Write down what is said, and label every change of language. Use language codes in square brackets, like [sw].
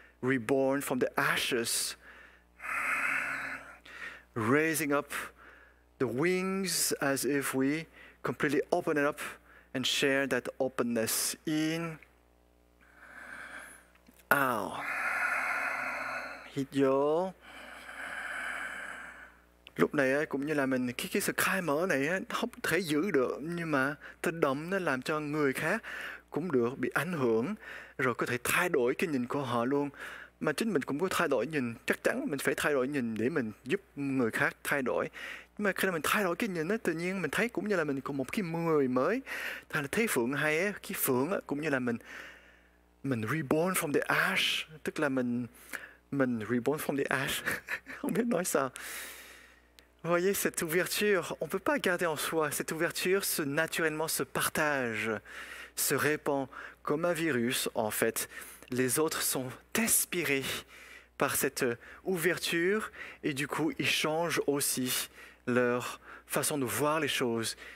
[en] reborn from the ashes, raising up the wings as if we completely open it up and share that openness in, out, 히죠. [vi] lúc này cũng như là mình khi cái sự khai mở này không thể giữ được, nhưng mà tự động nó làm cho người khác cũng được bị ảnh hưởng, rồi có thể thay đổi cái nhìn của họ luôn. Mà chính mình cũng có thay đổi nhìn, chắc chắn mình phải thay đổi nhìn để mình giúp người khác thay đổi. Nhưng mà khi mình thay đổi cái nhìn á, tự nhiên mình thấy cũng như là mình có một cái người mới. Thành là thấy Phượng hay á, cái Phượng á, cũng như là mình [en] reborn from the ash, [vi] tức là mình reborn from the ash. Không biết nói sao. [fr] Vous voyez cette ouverture, on peut pas garder en soi, cette ouverture se naturellement se partage, se répand comme un virus en fait. Les autres sont inspirés par cette ouverture et du coup ils changent aussi leur façon de voir les choses.